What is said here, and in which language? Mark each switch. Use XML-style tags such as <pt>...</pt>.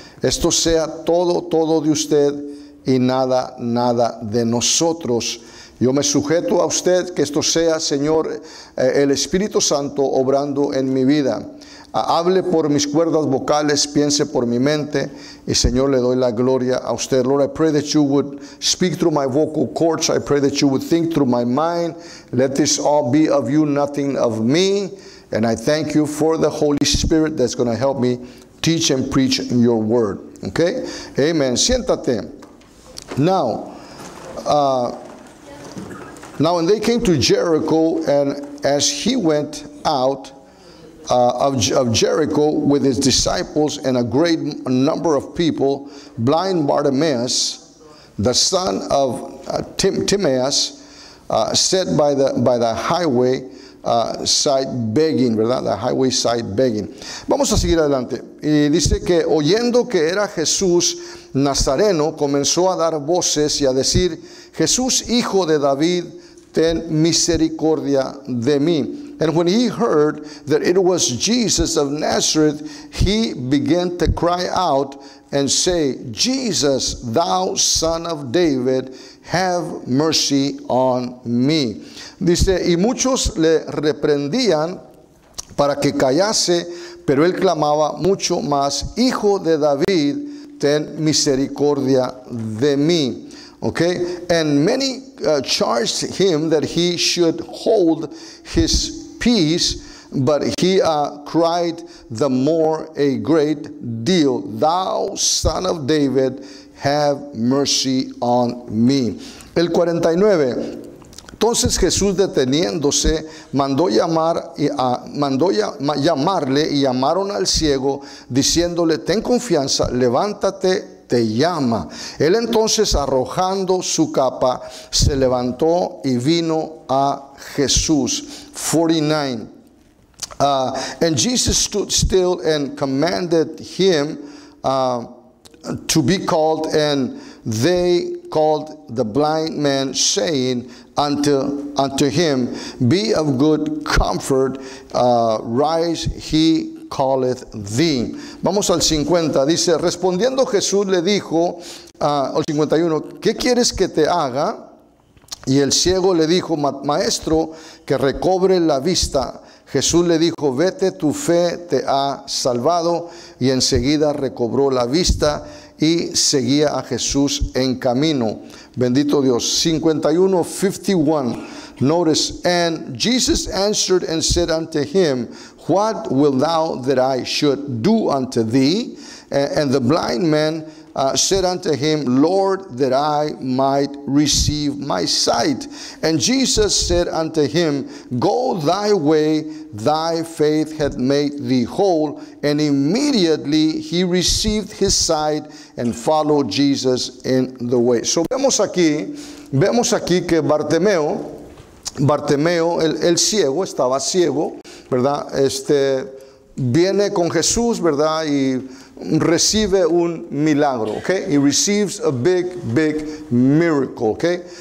<es>Esto sea todo, todo de usted y nada, nada de nosotros. Yo me sujeto a usted, que esto sea, Señor, el Espíritu Santo obrando en mi vida. Hable por mis cuerdas vocales, piense por mi mente, y Señor, le doy la gloria a usted.</es> <en>Lord, I pray that you would speak through my vocal cords. I pray that you would think through my mind. Let this all be of you, nothing of me. And I thank you for the Holy Spirit that's going to help me teach and preach your word. Okay? Amen.</en> <es>Siéntate.</es> <en>Now when they came to Jericho, and as he went out of Jericho with his disciples and a great number of people, blind Bartimaeus, the son of Timaeus, sat by the highway side begging,</en> <es>¿verdad?</es> <en>The highway side begging.</en> <es>Vamos a seguir adelante. Y dice que oyendo que era Jesús Nazareno, comenzó a dar voces y a decir: Jesús, hijo de David, ten misericordia de mí.</es> <en>And when he heard that it was Jesus of Nazareth, he began to cry out and say, Jesus, thou son of David, have mercy on me.</en> <es>Dice, y muchos le reprendían para que callase, pero él clamaba mucho más, Hijo de David, ten misericordia de mí.</es> <en>Okay, and many charged him that he should hold his peace, but he cried the more a great deal, Thou son of David, have mercy on me.</en> <es>El 49. Entonces Jesús, deteniéndose, mandó llamarle y llamaron al ciego, diciéndole: Ten confianza, levántate, te llama. Él entonces, arrojando su capa, se levantó y vino a Jesús. 49.</es> <en>And Jesus stood still and commanded him to be called, and they called the blind man, saying unto him, Be of good comfort, rise, he calleth thee.</en> <es>Vamos al 50. Dice, respondiendo Jesús le dijo, al 51, ¿qué quieres que te haga? Y el ciego le dijo, Maestro, que recobre la vista. Jesús le dijo, vete, tu fe te ha salvado. Y enseguida recobró la vista y seguía a Jesús en camino. Bendito Dios.</es> <en>51, 51. Notice, and Jesus answered and said unto him, What wilt thou that I should do unto thee? And the blind man said unto him, Lord, that I might receive my sight. And Jesus said unto him, Go thy way, thy faith hath made thee whole. And immediately he received his sight and followed Jesus in the way.</en> <es>So vemos aquí que Bartimeo, el ciego, estaba ciego, ¿verdad? Viene con Jesús, ¿verdad? Y recibe un milagro, ¿ok?</es> <en>He receives a big, big miracle, ¿ok?</en>